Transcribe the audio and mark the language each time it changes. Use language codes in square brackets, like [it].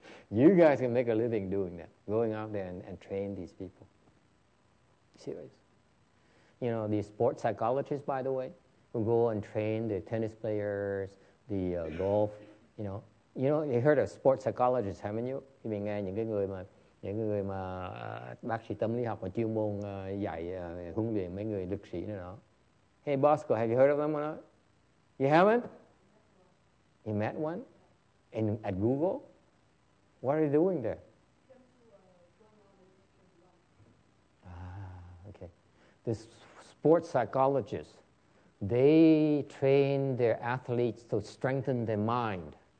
[en] You guys can make a living doing that, going out there and train these people. Serious. You know, the sports psychologists, by the way, who go and train the tennis players, the golf, you know, you heard of sports psychologists, haven't you? [vi] Khi mình nghe những cái người mà bác sĩ tâm lý học mà chuyên môn dạy huấn luyện mấy người lực sĩ nữa đó. [en] Hey, Bosco, have you heard of them or not? You haven't? You met one? At Google? What are you doing there? Okay. The sports psychologists, they train their athletes to strengthen their mind.